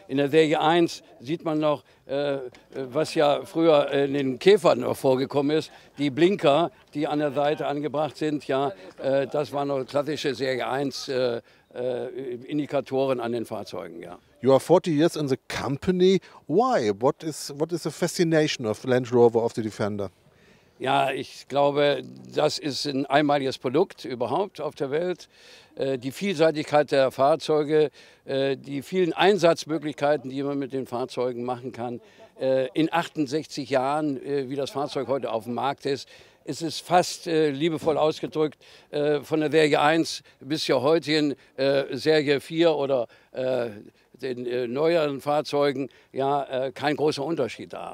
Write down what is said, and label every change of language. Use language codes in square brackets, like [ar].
[de] In der Serie 1 sieht man noch, was ja früher in den Käfern noch vorgekommen ist, die Blinker, die an der Seite angebracht sind. Ja, das waren noch klassische Serie 1 Indikatoren an den Fahrzeugen. Ja. [en] You are 40 years in the company. Why? What is the fascination of Land Rover, of the Defender? [de] Ja, ich glaube, das ist ein einmaliges Produkt überhaupt auf der Welt. Die Vielseitigkeit der Fahrzeuge, die vielen Einsatzmöglichkeiten, die man mit den Fahrzeugen machen kann. In 68 Jahren, wie das Fahrzeug heute auf dem Markt ist, ist es fast liebevoll ausgedrückt von der Serie 1 bis ja heute in Serie 4 oder den neueren Fahrzeugen, ja, kein großer Unterschied da.